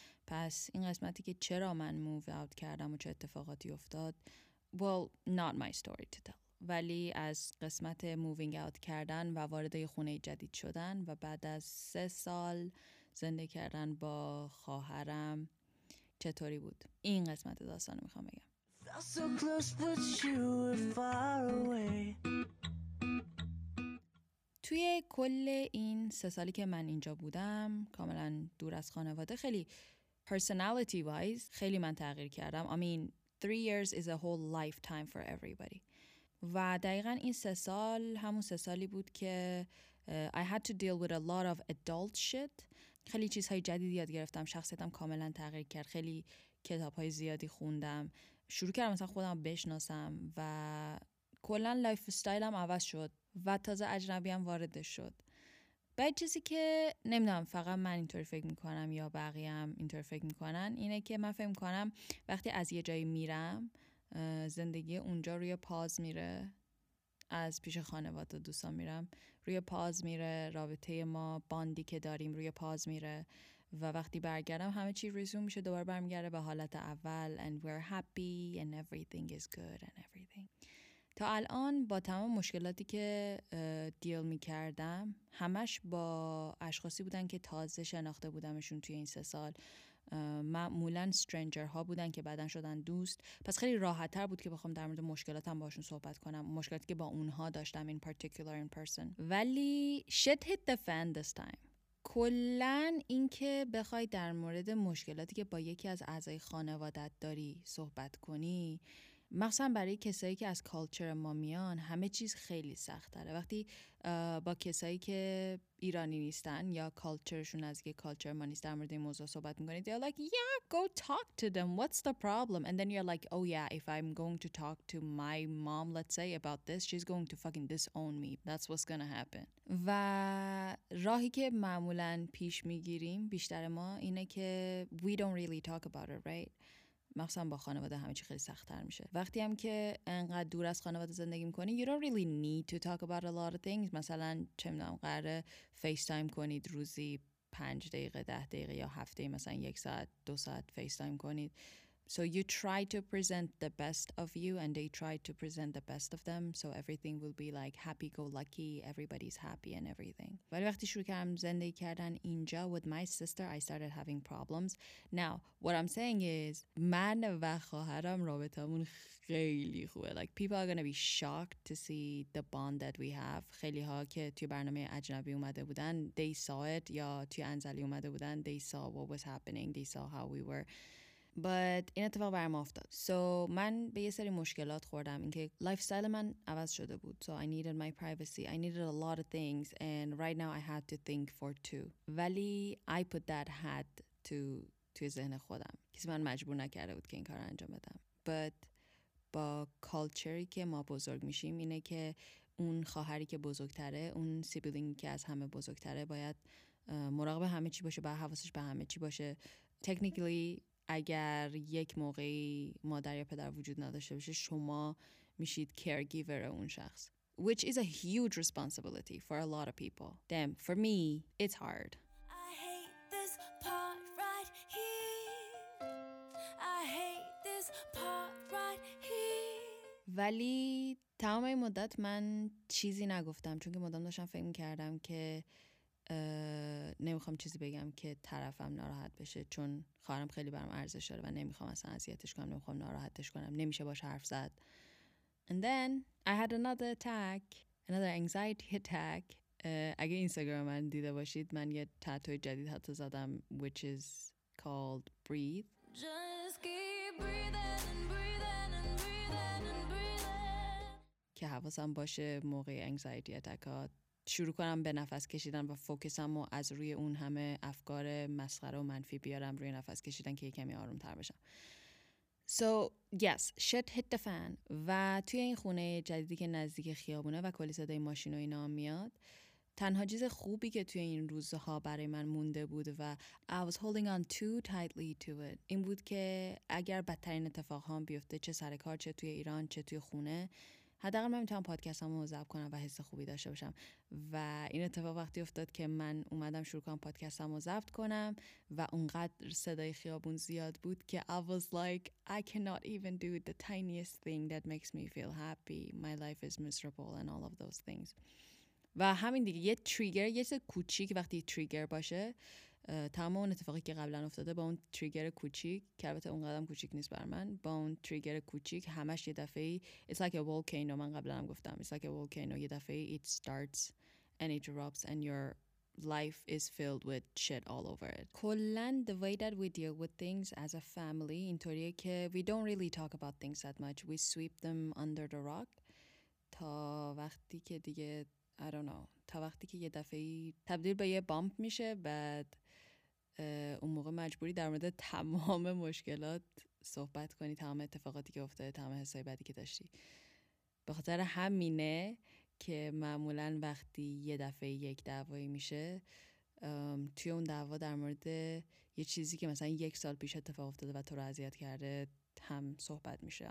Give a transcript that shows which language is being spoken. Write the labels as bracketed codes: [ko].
[fa] پس این قسمتی که چرا من موو اوت کردم و چه اتفاقاتی افتاد، [en] well not my story to tell، [fa] ولی از قسمت موینگ اوت کردن و وارد خونه جدید شدن و بعد از 3 سال زندگی کردن با خواهرم چطوری بود، این قسمت داستان رو میخوام بگم. [en] So close, but you were far away. [fa] توی کل این 3 سالی که من اینجا بودم، کاملا دور از خانواده، خیلی [en] personality wise [fa] خیلی من تغییر کردم. [en] I mean 3 years is a whole lifetime for everybody. [fa] و دقیقا این 3 سال همون 3 سالی بود که [en] I had to deal with a lot of adult shit. [fa] خیلی چیزهای جدیدی یاد گرفتم، شخصیتم کاملا تغییر کرد، خیلی کتابهای زیادی خوندم، شروع کردم مثلا خودم بشناسم و کلا لایف استایلم عوض شد و تازه اجنبی هم وارد شد. بعد چیزی که نمیدونم فقط من اینطوری فکر میکنم یا بقیه هم اینطوری فکر میکنن اینه که من فکر میکنم وقتی از یه جایی میرم زندگی اونجا روی پاز میره، از پیش خانواده دوستان میرم روی پاز میره، رابطه ما باندی که داریم روی پاز میره و وقتی برگردم همه چی ریزوم میشه، دوباره برمیگرده به حالت اول [en] and we're happy and everything [fa] is good and everything. تا الان با تمام مشکلاتی که دیل میکردم همش با اشخاصی بودن که تازه شناخته بودمشون توی این 3 سال، معمولا استرنجرها بودن که بعدن شدن دوست، پس خیلی راحت تر بود که بخوام در مورد مشکلاتم باشون صحبت کنم، مشکلاتی که با اونها داشتم این پارتیکولار این پرسن. [en] ولی shit hit the fan this time. [fa] کلن این که بخوای در مورد مشکلاتی که با یکی از اعضای خانوادت داری صحبت کنی، مخصوصا برای کسایی که از کالچر ما میان، همه چیز خیلی سخت تره. وقتی با کسایی که ایرانی نیستن یا کالچرشون از یک کالچر ما نیست در مورد این موضوع صحبت میکنید، [en] they're like yeah go talk to them what's the problem and then you're like oh yeah if I'm going to talk to my mom let's say about this she's going to fucking disown me that's what's gonna happen. [fa] و راهی که معمولا پیش میگیریم بیشتر ما اینه که [en] we don't really talk about it right. [fa] مخصوصا با خانواده همه چی خیلی سخت‌تر میشه. وقتی هم که انقدر دور از خانواده زندگی می‌کنی، [en] you don't really need to talk about a lot of things. [fa] مثلا چه می‌دونم قراره فیس تایم کنید روزی 5 دقیقه، 10 دقیقه یا هفته مثلا 1 ساعت، 2 ساعت فیس تایم کنید. [en] So you try to present the best of you and they try to present the best of them. So everything will be like happy go lucky, everybody's happy and everything. [fa] ولی وقتی شروع کردم زندگی کردن اینجا [en] with my sister, I started having problems. Now, what I'm saying is [fa] من و خواهرم رابطمون خیلی خوبه. [en] Like people are gonna be shocked to see the bond that we have. [fa] خیلی ها که توی برنامه اجنبی اومده بودن, [en] they saw it. [fa] یا توی انزلی اومده بودن, [en] they saw what was happening. They saw how we were. [fa] But این اتفاق برام افتاد. So من به یه سری مشکلات خوردم. اینکه لایف استایل من عوض شده بود. [en] So I needed my privacy. I needed a lot of things. And right now I had to think for 2. ولی I put that hat to [fa] ذهن خودم. کسی من مجبور نکرده بود که این کار انجام بدم. But با کالچری که ما بزرگ میشیم اینه که اون خواهری که بزرگتره، اون سیبلینگی که از همه بزرگتره باید مراقب همه چی باشه، باید حواسش به همه چی باشه. Technically اگر یک موقعی مادر یا پدر وجود نداشته باشه، شما میشید caregiver اون شخص. [en] Which is a huge responsibility for a lot of people. Damn, for me, it's hard. I hate this part right here. I hate this part right here. [fa] ولی تمام این مدت من چیزی نگفتم، چون که مدام داشتم فکر میکردم که نمیخوام چیزی بگم که طرفم ناراحت بشه، چون خواهرم خیلی برام ارزش داره و نمیخوام اصلا اذیتش کنم، نمیخوام ناراحتش کنم، نمیشه باش حرف زد. [en] And then I had another anxiety attack. [fa] اگه اینستاگرام من دیده باشید، من یه تاتوی جدید حتی زدم [en] which is called breathe. Just keep breathing and breathing and breathing and breathing. [fa] که حواسم باشه موقع anxiety attack شروع کنم به نفس کشیدن و فوکسم و از روی اون همه افکار مسخره و منفی بیارم روی نفس کشیدن که یکمی آروم تر بشم. [en] So yes, shit hit the fan. [fa] و توی این خونه جدیدی که نزدیک خیابونه و کلی صدای ماشین و اینا میاد، تنها چیز خوبی که توی این روزها برای من مونده بود و [en] I was holding on too tightly to it [fa] این بود که اگر بدترین اتفاق هم بیفته، چه سر کار، چه توی ایران، چه توی خونه، حداقل من میتونم پادکستامو ضبط کنم و حس خوبی داشته باشم. و این اتفاق وقتی افتاد که من اومدم شروع کنم پادکستامو ضبط کنم و اونقدر صدای خیابون زیاد بود که [en] I was like I cannot even do the tiniest thing that makes me feel happy. My life is miserable and all of those things. [fa] و همین دیگه یه تریگر، یه چیز کوچیک وقتی تریگر باشه تمام اون اتفاقی که قبلا افتاده با اون تریگر کوچیک، که البته اونقدرم کوچیک نیست بر من، با اون تریگر کوچیک همش یه دفعه [en] it's like a volcano. [fa] من قبلا هم گفتم [en] it's like a volcano، [fa] یه دفعه [en] it starts and it erupts and your life is filled with shit all over it. کلن the way that we deal with things as a family [fa] اینطوریه که [en] we don't really talk about things that much. We sweep them under the rock [fa] تا وقتی که دیگه [en] I don't know. [fa] تا وقتی که یه دفعه تبدیل به یه بامپ میشه، بعد اون موقع مجبوری در مورد تمام مشکلات صحبت کنی، تمام اتفاقاتی که افتاده، تمام حسای بدی که داشتی. به خاطر همینه که معمولا وقتی یه دفعه یک دعوایی میشه، توی اون دعوا در مورد یه چیزی که مثلا یک سال پیش اتفاق افتاده و تو رو اذیت کرده هم صحبت میشه.